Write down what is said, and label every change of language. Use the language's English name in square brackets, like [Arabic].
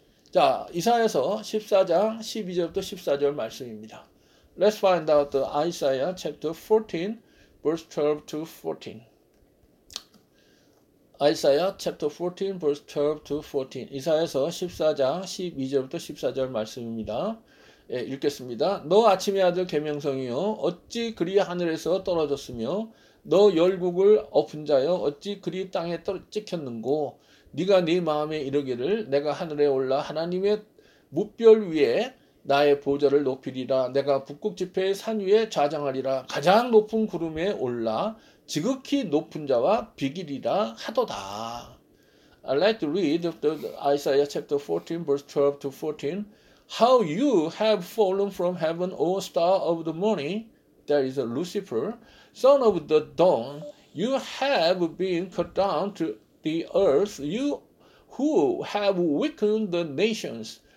[Korean] 자, 이사야서 14장 12절부터 14절 말씀입니다. [English] Let's find out the Isaiah chapter 14, verse 12 to 14. Isaiah chapter 14, verse 12 to 14. [Korean] 이사야서 14장 12절부터 14절 말씀입니다. 예, 읽겠습니다. 너 아침의 아들 계명성이여, 어찌 그리 하늘에서 떨어졌으며, 너 열국을 엎은 자여, 어찌 그리 땅에 찍혔는고, 네가 네 마음에 이르기를 내가 하늘에 올라 하나님의 뭇별 위에 나의 보좌를 높이리라 내가 북극지폐의 산 위에 좌장하리라 가장 높은 구름에 올라 지극히 높은 자와 비기리라 하도다. [English] I like to read the Isaiah chapter 14 verse 12 to 14. How you have fallen from heaven, O star of the morning, that is Lucifer, son of the dawn. You have been cut down to the earth, you who have weakened the nations.